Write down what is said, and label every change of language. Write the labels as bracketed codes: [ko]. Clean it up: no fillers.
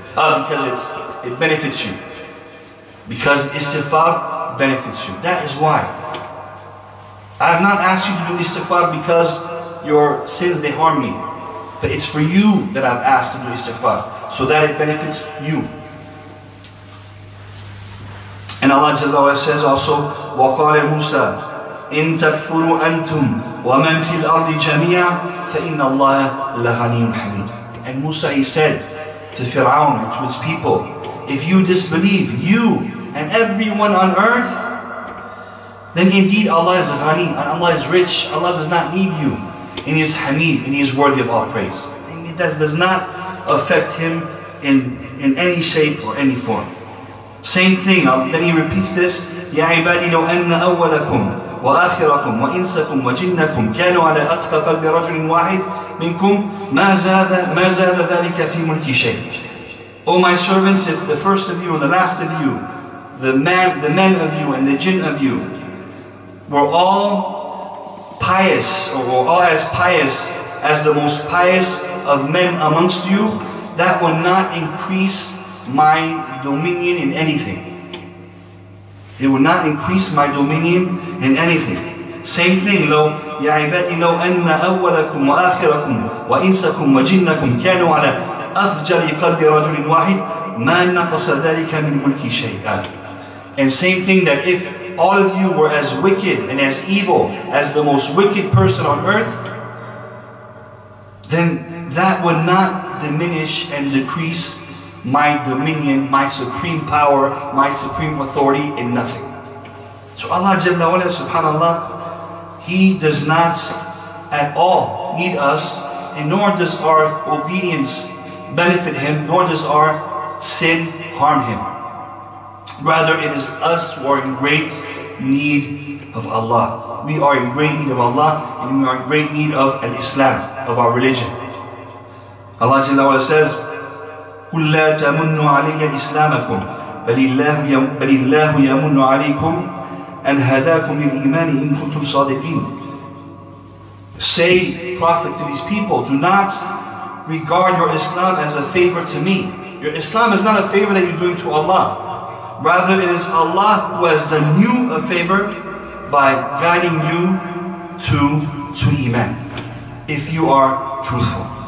[en] Because it benefits you. Because istighfar benefits you. That is why. I have not asked you to do istighfar because your sins, they harm me. But it's for you that I've asked to do istighfar, so that it benefits you. And Allah Jalla wa says also, [ar] وَقَالَ مُوسَىٰ إِن تَكْفُرُوا أَنْتُمْ وَمَنْ فِي الْأَرْضِ جَمِيعًا فَإِنَّ اللَّهَ لَغَنِيٌّ حَمِيدٌ. [en] And Musa, he said to Fir'aun, to his people, if you disbelieve, you and everyone on earth, then indeed Allah is ghani and Allah is rich. Allah does not need you, and He is Hamid, and He is worthy of all praise. It does not affect Him in any shape or any form. Same thing, then he repeats this, [ar] يَا عِبَادِي لَوْ أَنَّ أَوَّلَكُمْ وَآخِرَكُمْ وَإِنسَكُمْ وَجِنَّكُمْ كَانُوا عَلَىٰ أَتْقَى قَلْبِ رَجُلٍ وَاحِدٍ مِنْكُمْ مَا زَادَ ذَلِكَ فِي مُلْكِ شَيْءٍ. [en] O my servants, if the first of you and the last of you, the men of you and the jinn of you, were all pious, or were all as pious as the most pious of men amongst you, that will not increase my dominion in anything. It will not increase my dominion in anything. Same thing, [ar] لو يا عبادي لو أن أولكم وآخركم وإنسكم وجنكم كانوا على أفجر قلب رجل واحد ما نقص ذلك من ملك شيئا. [en] And same thing, that if all of you were as wicked and as evil as the most wicked person on earth, then that would not diminish and decrease my dominion, my supreme power, my supreme authority in nothing. So Allah Jalla wa'ala, subhanAllah, He does not at all need us, and nor does our obedience benefit Him, nor does our sin harm Him. Rather, it is us who are in great need of Allah. We are in great need of Allah, and we are in great need of al-Islam, of our religion. Allah Jalla wa'ala says, [ar] قُلْ لَا تَمُنُّ عَلَيَّ إِسْلَامَكُمْ بَلِ اللَّهُ يَمُنُّ عَلَيْكُمْ أَنْ هَدَاكُمْ لِلْإِيمَانِ إِنْ كُنْتُمْ صَادِقِينَ. [en] Say, Prophet, to these people, do not regard your Islam as a favor to me. Your Islam is not a favor that you're doing to Allah. Rather, it is Allah who has done you a favor by guiding you to Iman, if you are truthful.